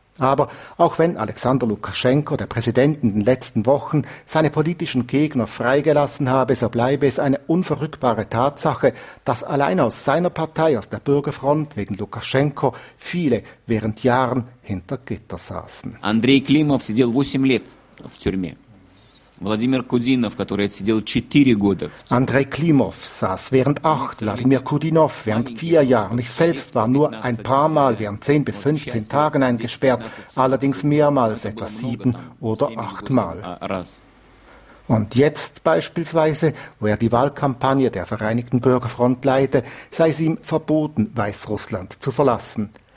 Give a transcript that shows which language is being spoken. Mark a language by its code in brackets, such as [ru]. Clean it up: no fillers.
[de] Aber auch wenn Alexander Lukaschenko, der Präsident, in den letzten Wochen seine politischen Gegner freigelassen habe, so bleibe es eine unverrückbare Tatsache, dass allein aus seiner Partei, aus der Bürgerfront, wegen Lukaschenko, viele während Jahren hinter Gitter saßen. [ru] Андрей Климов сидел 8 лет в тюрьме. Владимир Кудинов, который отсидел 4 года. [de] Андрей Климов saß während 8, Владимир Кудинов während 4 Jahren. Ich selbst war nur ein paar Mal während 10 bis 15 Tagen eingesperrt, allerdings mehrmals, etwa 7 oder 8 Mal. Und jetzt beispielsweise, wo er die Wahlkampagne der Vereinigten Bürgerfront leite, sei es ihm verboten, Weißrussland zu verlassen.